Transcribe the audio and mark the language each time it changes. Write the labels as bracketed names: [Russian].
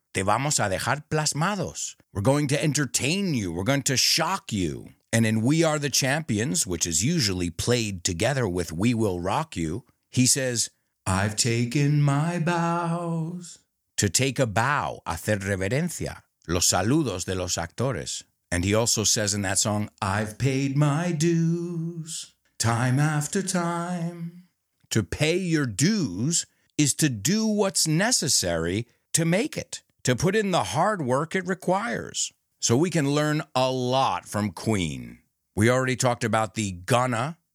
[Spanish] Te vamos a dejar plasmados. [English] We're going to entertain you. We're going to shock you. And in We Are the Champions, which is usually played together with We Will Rock You, he says, I've taken my bows. To take a bow, [Spanish] hacer reverencia. Los saludos de los actores. [English] And he also says in that song, I've paid my dues time after time. To pay your dues is to do what's necessary to make it, to put in the hard work it requires. So we can learn a lot from Queen. We already talked about the Gunna.